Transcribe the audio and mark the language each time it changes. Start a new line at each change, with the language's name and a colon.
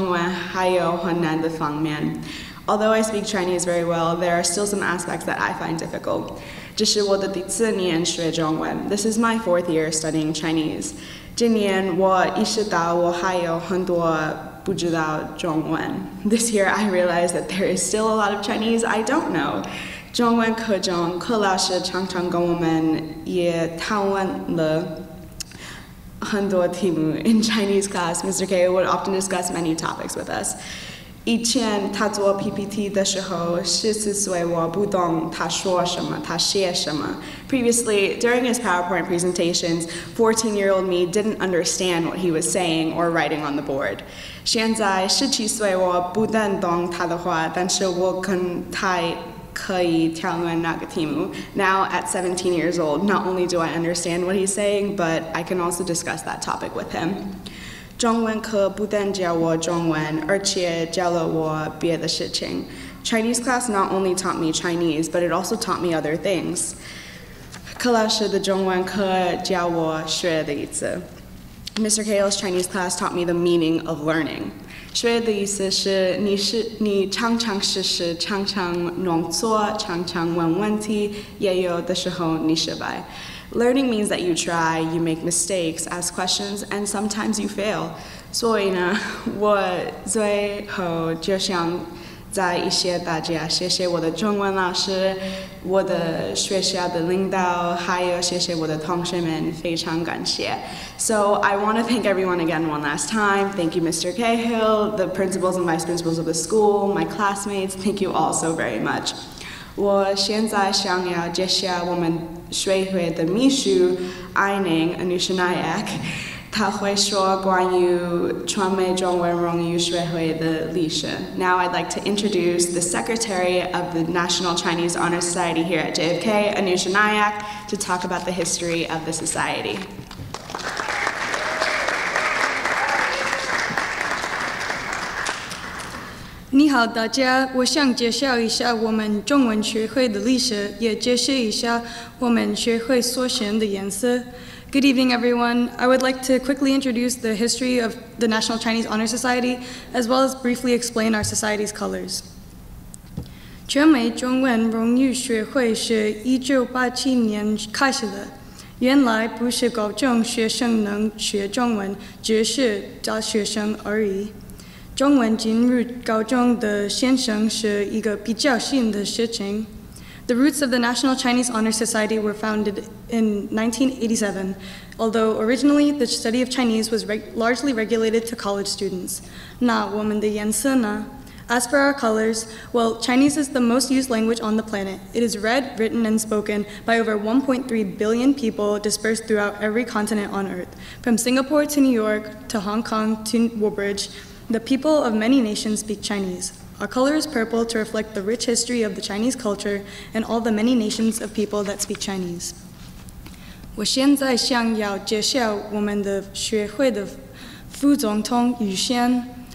Chinese: 虽然我说得很好，但是对我来说，中文还有很难的方面.
English: Although I speak Chinese very well, there are still some aspects that I find difficult.
Chinese: 这是我的第四年学中文.
English: This is my 4th year studying Chinese.
Chinese: 今年我意识到我还有很多不知道中文.
English: This year, I realized that there is still a lot of Chinese I don't know.
Chinese: 中文课中，柯老师常常跟我们也讨论了很多题目.
English: In Chinese class, Mr. K would often discuss many topics with us.
Chinese: 以前他做 PPT 的时候，14岁，我不懂他说什么，他写什么。
English: Previously, during his PowerPoint presentations, 14-year-old me didn't understand what he was saying or writing on the board.
Chinese: 现在17岁，我不但懂他的话，但是我跟他可以讨论那个题目。
English: Now, at 17 years old, not only do I understand what he's saying, but I can also discuss that topic with him.
Chinese: 中文课不但教我中文，而且教了我别的事情。
English: Chinese class not only taught me Chinese, but it also taught me other things.
Chinese: 克老师的中文课教我学的意思。
English: Mr. Kale's Chinese class taught me the meaning of learning.
Chinese: 学的意思是你常常试试，常常弄错，常常问问题，也有的时候你失败。
English: Learning means that you try, you make mistakes, ask questions, and sometimes you fail.
Chinese: 所以呢，我最后就想再一些大家谢谢我的中文老师，我的学校的领导，还有谢谢我的同学们，非常感谢。
English: So I want to thank everyone again one last time. Thank you, Mr. Cahill, the principals and vice principals of the school, my classmates. Thank you all so very much.
Chinese: 我现在想要介绍我们学会的秘书 Ining Anushinayak， 他会说关于传媒中文荣誉学会的历史。
English: Now I'd like to introduce the secretary of the National Chinese Honor Society here at JFK, Anushinayak, to talk about the history of the society.
Chinese: 你好，大家。我想介绍一下我们中文学会的历史，也介绍一下我们学会所选的颜色。
English: Good evening, everyone. I would like to quickly introduce the history of the National Chinese Honor Society, as well as briefly explain our society's colors.
Chinese: 全美中文荣誉学会是1987年开始的。原来不是高中学生能学中文，只是大学生而已。中文进入高中的现象是一个比较新的事情。
English: The roots of the National Chinese Honor Society were founded in 1987, although originally the study of Chinese was largely regulated to college students.
Chinese: 那我们的颜色呢？
English: As for our colors, well, Chinese is the most used language on the planet. It is read, written, and spoken by over 1.3 billion people dispersed throughout every continent on Earth, from Singapore to New York to Hong Kong to Woodbridge,The people of many nations speak Chinese. Our color is purple to reflect the rich history of the Chinese culture and all the many nations of people that speak Chinese.
Chinese: 我现在想要介绍我们的学会的副总统于先。